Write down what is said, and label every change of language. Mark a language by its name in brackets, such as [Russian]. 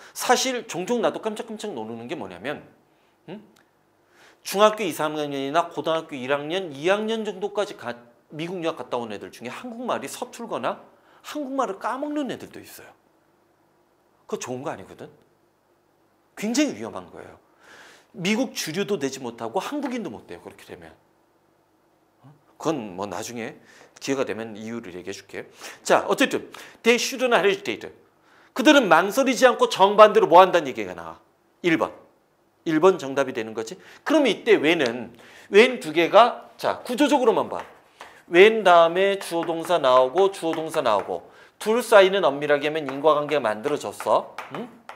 [Korean] 사실 종종 나도 깜짝깜짝 놀라는 게 뭐냐면, 중학교 2, 3학년이나 고등학교 1학년, 2학년 정도까지 미국 유학 갔다 온 애들 중에 한국말이 서툴거나 한국말을 까먹는 애들도 있어요. 그거 좋은 거 아니거든? 굉장히 위험한 거예요. 미국 주류도 되지 못하고 한국인도 못 돼요. 그렇게 되면. 그건 뭐 나중에 기회가 되면 이유를 얘기해 줄게. 자, 어쨌든 [English] they should not hesitate. [Korean] 그들은 망설이지 않고 정반대로 뭐 한다는 얘기가 나와. 1번. 1번 정답이 되는 거지. 그럼 이때 when은 when 두 개가, 자, 구조적으로만 봐. when 다음에 주어동사 나오고 주어동사 나오고 둘 사이는 엄밀하게 하면 인과관계가 만들어졌어. 응?